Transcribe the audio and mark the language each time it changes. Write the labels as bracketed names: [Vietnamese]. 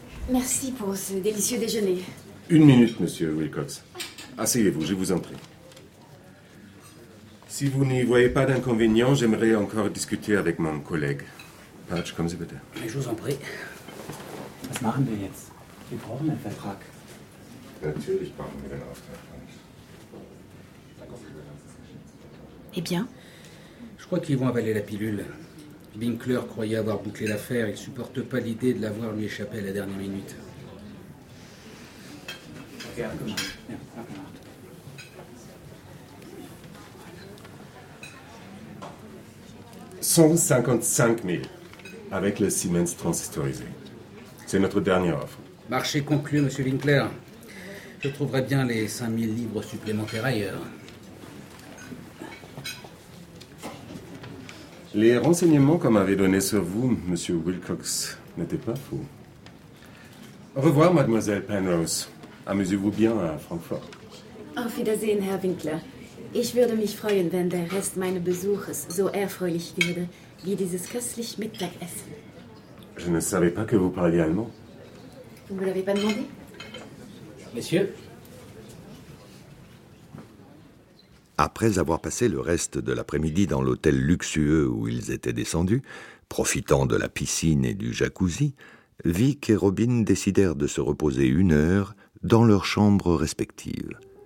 [French] Merci pour ce délicieux déjeuner. Une minute, Monsieur Wilcox. Asseyez-vous, je vous en prie. Si vous n'y voyez pas d'inconvénient, j'aimerais encore discuter avec mon collègue. Patch, comme c'est peut-être. Mais je vous en prie. [German] Was machen wir jetzt? Wir brauchen einen Vertrag. Natürlich brauchen wir den Auftrag. [French] Eh bien? Je crois qu'ils vont avaler la pilule. Winkler croyait avoir bouclé l'affaire. Il ne supporte pas l'idée de l'avoir lui échappé à la dernière minute. « 155 000 avec le Siemens transistorisé. C'est notre dernière offre. »« Marché conclu, Monsieur Winkler. Je trouverai bien les 5 000 livres supplémentaires ailleurs. » Les renseignements qu'on m'avait donnés sur vous, Monsieur Wilcox, n'étaient pas faux. Au revoir, Mademoiselle Penrose. Amusez-vous bien à Francfort. [German] Auf Wiedersehen, Herr Winkler. Ich würde mich freuen, wenn der Rest meines Besuches so erfreulich würde, wie dieses köstliche Mittagessen. [French] Je ne savais pas que vous parliez allemand. Vous ne me l'avez pas demandé? Monsieur? Après avoir passé le reste de l'après-midi dans l'hôtel luxueux où ils étaient descendus, profitant de la piscine et du jacuzzi, Vic et Robin décidèrent de se reposer une heure dans leurs chambres respectives.